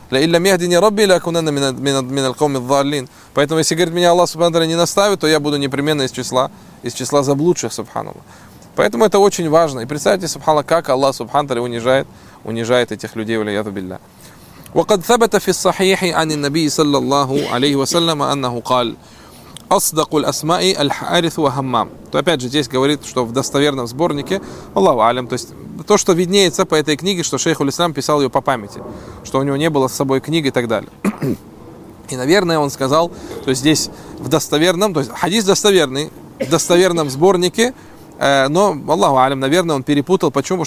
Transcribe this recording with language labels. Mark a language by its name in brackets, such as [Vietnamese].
[Arabic] «Илля мехдини рабби, илля кунэна минал коми дзаллин». [Russian] Поэтому если, говорит, меня Аллах субхана тааля не наставит, то я буду непременно из числа заблудших, субханаллах. Поэтому это очень важно. И представьте, субханаллах, как Аллах субхана тааля унижает, унижает этих людей, валяяту билля. [Arabic] «Вакад сабата фи ссахихи ани наби саллаллаху алейхи вассаляма аннаху кал». أصدق الأسماء الحارث وهمام. [Russian] То опять же здесь говорит, что в достоверном сборнике Аллаху алям, то есть то, что виднеется по этой книге, что шейх ул-Ислам писал ее по памяти, что у него не было с собой книги и так далее. И, наверное, он сказал, то есть здесь в достоверном, то есть хадис достоверный, в достоверном сборнике, но Аллаху алям, наверное, он перепутал, почему?